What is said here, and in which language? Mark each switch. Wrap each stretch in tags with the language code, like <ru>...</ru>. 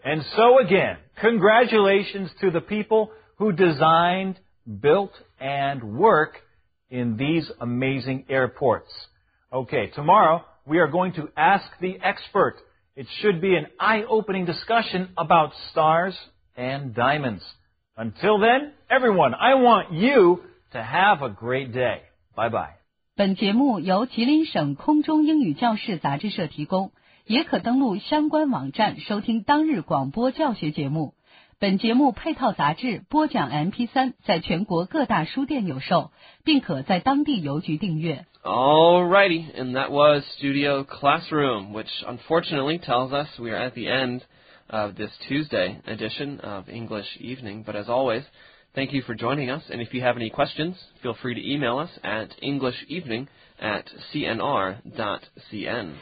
<en>And so again, congratulations to the people who designed, built, and work in these amazing airports. Okay, tomorrow we are going to ask the expert. It should be an eye-opening discussion about stars and diamonds. Until then, everyone, I want you to have a great day. Bye-bye.</en> <zh>本节目由吉林省空中英语教室杂志社提供，也可登录相关网站收听当日广播教学节目。本节目配套杂志播讲 MP3 在全国各大书店有售，并可在当地邮局订阅。</zh> <en>Alrighty, and that was Studio Classroom, which unfortunately tells us we are at the end of this Tuesday edition of English Evening, but as always,Thank you for joining us, and if you have any questions, feel free to email us at englishevening@cnr.cn.</en>